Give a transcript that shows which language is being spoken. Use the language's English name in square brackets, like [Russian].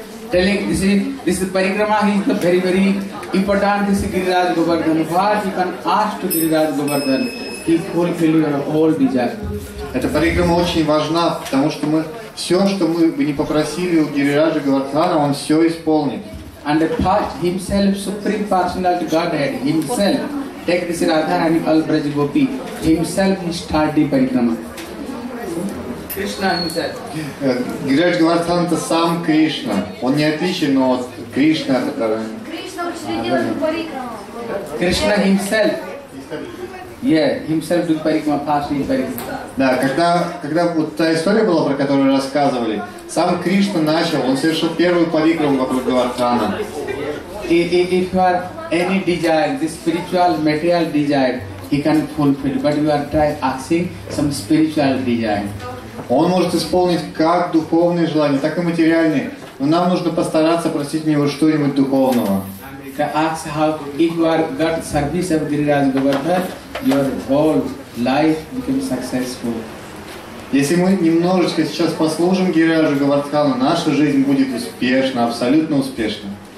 [English] Telling this is the parikrama, he is the very very important. This is Giriraj Govardhan. What you can ask to Giriraj Govardhan, he fulfill your whole desire. [Russian] Эта парикрама очень важна, потому что мы все, что мы бы не попросили у Гирираджа Говардхана, он все исполнит. [English] And himself, Supreme Personality Godhead, himself, take this Radhana and all Braj Gopi, himself start the parikrama. Krishna himself. [Russian] Гирирадж Говардхан – это сам Кришна. Он не отличен от Кришны, который… Кришна учредил эту парикраму. [English] Кришна himself. Yeah, himself doing parikrama, partially parikrama. [Russian] Да, когда вот та история была, про которую рассказывали, сам Кришна начал, он совершил первую парикраму вокруг Говардхана. [English] If you have any desire, this spiritual, material desire, he can fulfill, but you are trying asking some spiritual desire. [Russian] Он может исполнить как духовные желания, так и материальные, но нам нужно постараться просить у него что-нибудь духовного. [English] Ask how, if you are got service of Giriraj Govardhan, your whole life becomes successful. [Russian] Если мы немножечко сейчас послужим Гирираджу Говардхану, наша жизнь будет успешна, абсолютно успешна.